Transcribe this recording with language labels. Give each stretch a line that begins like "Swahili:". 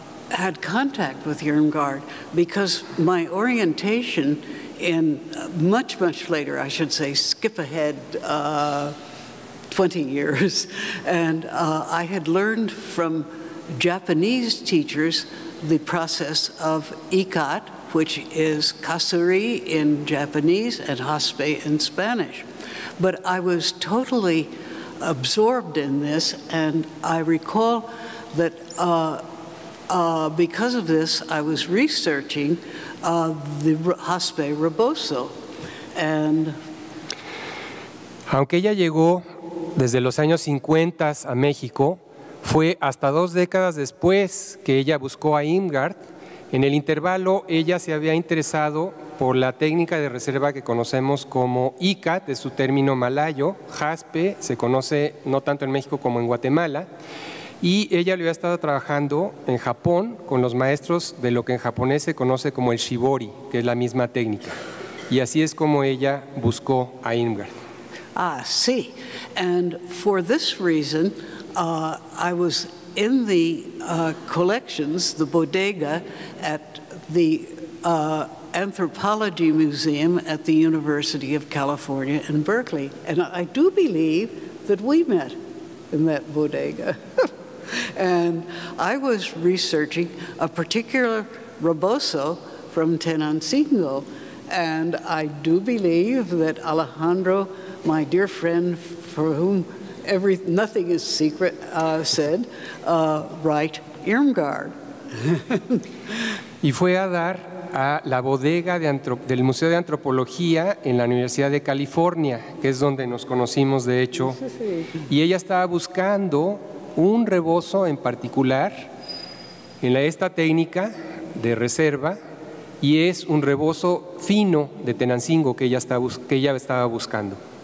English: had contact with Irmgard, because my orientation in much, much later, I should say, skip ahead 20 years, and I had learned from Japanese teachers the process of ikat, which is kasuri in Japanese and haspe in Spanish. But I was totally absorbed in this, and I recall that Because of this, I was researching the Jaspe Rebozo. And
Spanish: aunque ella llegó desde los años 50 a México, fue hasta dos décadas después que ella buscó a Imgard. En el intervalo, ella se había interesado por la técnica de reserva que conocemos como ICAT, es su término malayo. Jaspe se conoce no tanto en México como en Guatemala. Y ella lo había estado trabajando en Japón con los maestros de lo que en japonés se conoce como el shibori, que es la misma técnica. Y así es como ella buscó a Imgard. Ah, sí.
English: And for this reason, I was in the collections, the bodega, at the Anthropology Museum at the University of California in Berkeley. And I do believe that we met in that bodega. And I was researching a particular rebozo from Tenancingo, and I do believe that Alejandro, my dear friend, for whom nothing is secret, said, write Irmgard.
Spanish: Y fue a dar a la bodega del Museo de Antropología en la Universidad de California, que es donde nos conocimos, de hecho. Y ella estaba buscando un rebozo en particular en esta técnica de reserva, y es un rebozo fino de Tenancingo que ella estaba buscando.